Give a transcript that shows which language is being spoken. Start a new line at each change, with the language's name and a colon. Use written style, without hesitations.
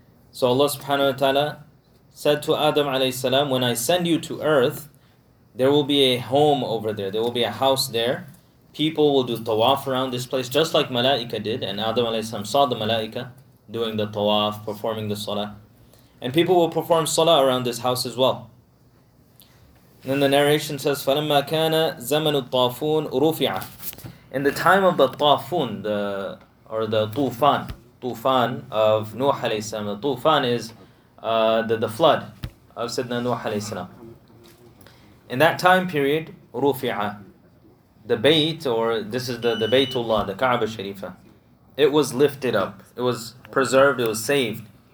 English: So Allah subhanahu wa ta'ala said to Adam alayhi salam, when I send you to earth, there will be a home over there. There will be a house there. People will do tawaf around this place just like malaika did. And Adam alayhi salam saw the malaika doing the tawaf, performing the salah. And people will perform salah around this house as well. Then the narration says,
Arabic: فَلَمَّا كَانَ زَمَنُ الطَّافُونَ رُفِعَ.
English: In the time of the طافون, the طوفان, طوفان of Nuh alayhi salam. The طوفان is the flood of Sidna Nuh alayhi salam. In that time period, رُفِعَ, the bait, or this is the baitullah, the Kaaba Sharifa, it was lifted up, it was preserved, it was saved.